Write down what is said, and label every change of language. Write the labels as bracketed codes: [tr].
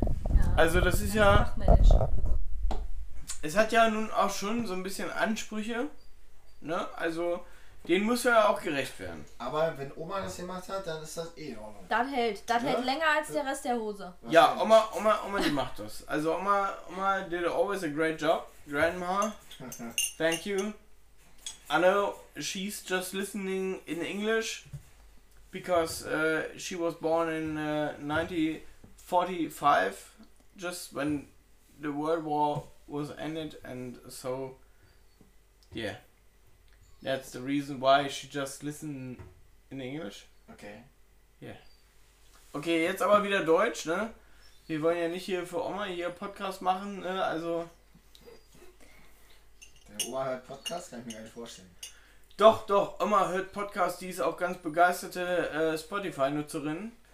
[de] Ja, also das ist ja... Es hat ja nun auch schon so ein bisschen Ansprüche, ne? Also den muss ja auch gerecht werden. Aber wenn Oma das gemacht hat, dann ist das eh in Ordnung. Das hält länger als der Rest der Hose. Ja, Oma, die macht das. [en] Also Oma did always a great job. Grandma, thank you. I know she's just listening in English because she was born in 1945, just when the World War was ended, and so yeah, that's the reason why she just listened in English. Okay. Yeah. [de] Okay, jetzt aber wieder Deutsch, ne? Wir wollen ja nicht hier für Oma hier Podcast machen, ne? Also Oma hört Podcast, kann ich mir gar nicht vorstellen. Doch, Oma hört Podcast, die ist auch ganz begeisterte Spotify-Nutzerin.